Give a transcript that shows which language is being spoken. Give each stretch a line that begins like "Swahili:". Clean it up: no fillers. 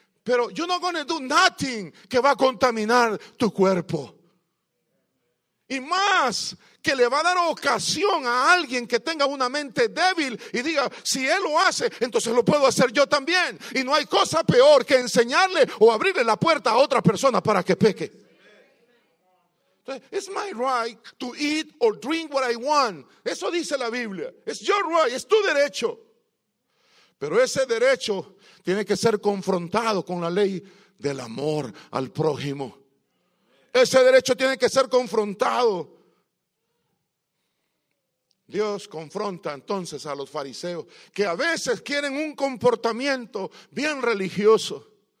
Spanish: Pero
English: you're not going to do nothing
Spanish: que va a contaminar tu cuerpo. Y más que le va a dar ocasión a alguien que tenga una mente débil y diga: si él lo hace, entonces lo puedo hacer yo también. Y no hay cosa peor que enseñarle o abrirle la puerta a otra persona para que peque.
English: It's my right to eat or drink what I want.
Spanish: Eso dice la Biblia.
English: It's your right,
Spanish: es tu derecho. Pero ese derecho tiene que ser confrontado con la ley del amor al prójimo. Ese derecho tiene que ser confrontado. Dios confronta entonces a los fariseos, que a veces quieren un comportamiento bien religioso.